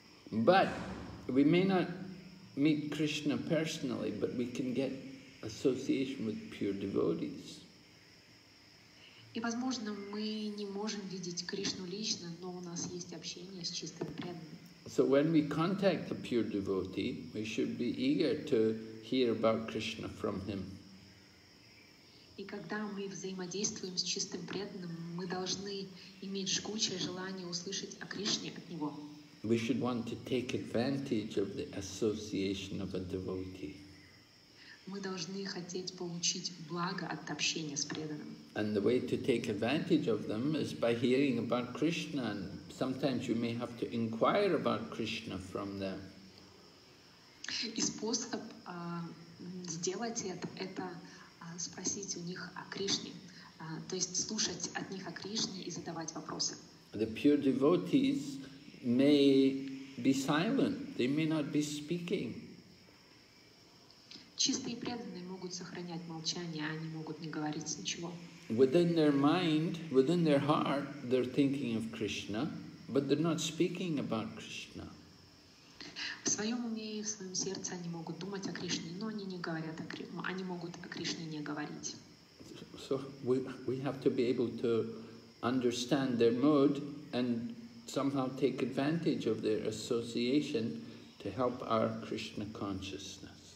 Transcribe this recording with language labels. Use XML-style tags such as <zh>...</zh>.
<en>But we may not meet Krishna personally, but we can get association with pure devotees.</en> <ru>И, возможно, мы не можем видеть Кришну лично, но у нас есть общение с чистыми преданными.</ru> <en>So when we contact a pure devotee, we should be eager to hear about Krishna from him.</en> <ru>И когда мы взаимодействуем с чистым преданным, мы должны иметь жгучее желание услышать о Кришне от него.</ru> <en>We should want to take advantage of the association of a devotee.</en> <ru>Мы должны хотеть получить благо от общения с преданным.</ru> <en>And the way to take advantage of them is by hearing about Krishna. And sometimes you may have to inquire about Krishna from them.</en> <ru>И способ сделать это спросить у них о Кришне, то есть слушать от них о Кришне и задавать вопросы.</ru> <en>The pure devotees may be silent, they may not be speaking.</en> <ru>Чистые преданные могут сохранять молчание, они могут не говорить ничего.</ru> <en>Within their mind, within their heart, they're thinking of Krishna, but they're not speaking about Krishna.</en> <ru>В своем уме и в своем сердце они могут думать о Кришне, но они не говорят о Кришне, они могут о Кришне не говорить.</ru> <en>So we have to be able to understand their mood and somehow take advantage of their association to help our Krishna consciousness.</en>